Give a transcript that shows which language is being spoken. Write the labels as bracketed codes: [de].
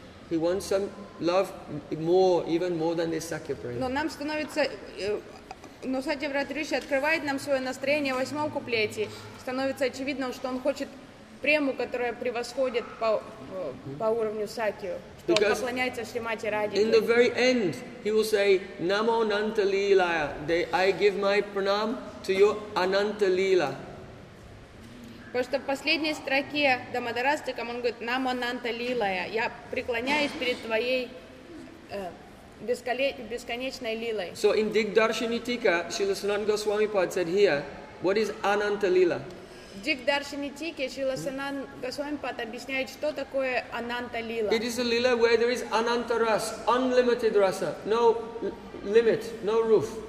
[en] He wants some love more, even more than this sakya prema. [ru] Но нам становится, но Сатьяврат Риши открывает нам свое настроение в восьмом куплете. Становится очевидно, что он хочет прему, которая превосходит по уровню сакью. [en] Because in the very end, he will say, [sa] Namo Ananta Lila. [en] I give my pranam to your Ananta Lila. [ru] Потому что в последней строке Дамодарастикам он говорит, [sa] Namo Ananta Lila. [ru] Я преклоняюсь перед твоей бесконечной лилой. [en] So in Digdarshini Tika, Srila Sanat Goswami Pad said here, what is Ananta Lila? [ru] Дик Даршини Тики, Шрила Санан Госвами Пад объясняет, что такое Ананта Лила. [en] It is a lila where there is Ananta Ras, unlimited rasa, no limit, no roof.